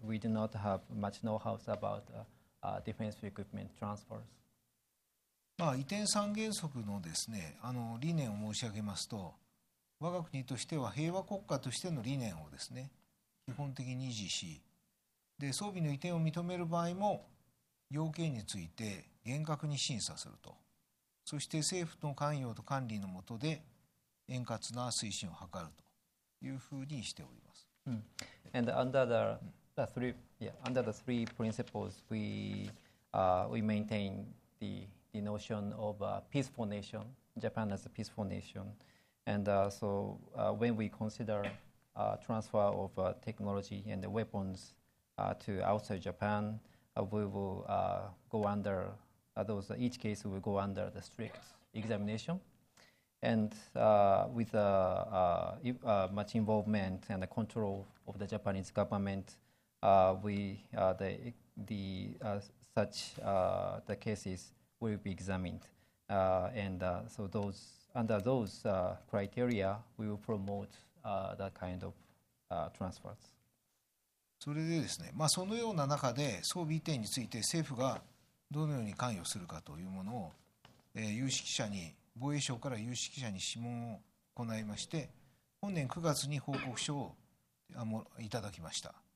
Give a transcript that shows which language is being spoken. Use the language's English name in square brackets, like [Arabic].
[English] We do not have much know-how about defense equipment transfers. [Japanese] まあ、移転三原則のですね、理念を申し上げますと、我が国としては平和国家としての理念をですね、基本的に維持し、で、装備の移転を認める場合も要件について厳格に審査すると。そして政府の関与と管理の下で円滑な推進を図るというふうにしております。 Mm. [English] And under the three principles, we maintain the notion of a peaceful nation, Japan as a peaceful nation. And when we consider transfer of technology and the weapons to outside Japan, we will go under those. Each case will go under the strict examination. And with much involvement and the control of the Japanese government, the cases will be examined. So those under those criteria, we will promote that kind of transfers. [Japanese] それでですね、まあ、そのような中で装備移転について政府がどのように関与するかというものを、有識者に防衛省から有識者に諮問を行いまして本年9月に報告書をいただきました。